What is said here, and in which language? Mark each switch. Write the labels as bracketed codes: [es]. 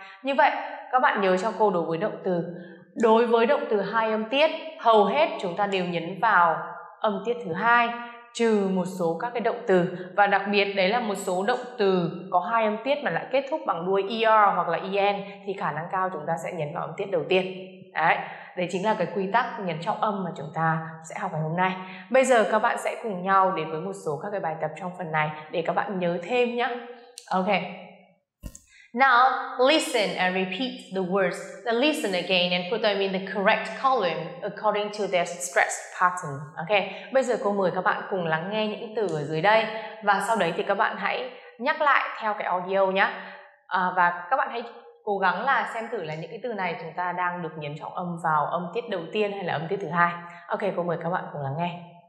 [vi] Như vậy các bạn nhớ cho cô đối với động từ. Đối với động từ hai âm tiết hầu hết chúng ta đều nhấn vào âm tiết thứ hai, trừ một số các cái động từ, và đặc biệt đấy là một số động từ có hai âm tiết mà lại kết thúc bằng đuôi er hoặc là en thì khả năng cao chúng ta sẽ nhấn vào âm tiết đầu tiên. Đấy, đấy chính là cái quy tắc nhấn trọng âm mà chúng ta sẽ học ngày hôm nay. Bây giờ các bạn sẽ cùng nhau đến với một số các cái bài tập trong phần này để các bạn nhớ thêm nhé. [en] Ok. Now, listen and repeat the words. Then listen again and put them in the correct column according to their stress pattern. [vi] Okay, bây giờ cô mời các bạn cùng lắng nghe những từ ở dưới đây. Và sau đấy thì các bạn hãy nhắc lại theo cái audio nhé. Và các bạn hãy cố gắng là xem thử là những cái từ này chúng ta đang được nhấn trọng âm vào âm tiết đầu tiên hay là âm tiết thứ hai. Okay, cô mời các bạn cùng lắng nghe.